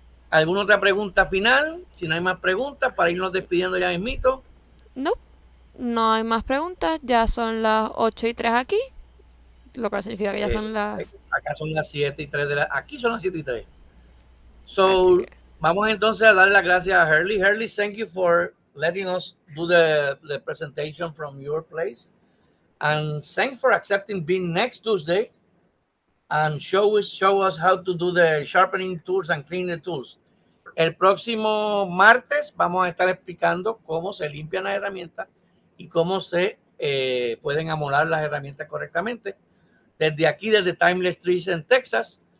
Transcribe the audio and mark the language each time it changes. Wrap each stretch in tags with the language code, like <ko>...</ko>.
<es>¿Alguna otra pregunta final? Si no hay más preguntas, para irnos despidiendo ya mismito.</es> <en>No. Nope.</en> <es>No hay más preguntas, ya son las 8 y 3 aquí, lo cual significa que ya son las... Acá son las 7 y 3 de la... Aquí son las 7 y 3. Así</es> <en>So,</en> <es>que... vamos entonces a dar las gracias a Hurley.</es> <en>Hurley, thank you for letting us do the presentation from your place. And thanks for accepting being next Tuesday and show us how to do the sharpening tools and clean the tools.</en> <es>El próximo martes vamos a estar explicando cómo se limpian las herramientas y cómo se pueden amolar las herramientas correctamente. Desde aquí, desde Timeless Trees en Texas.</es>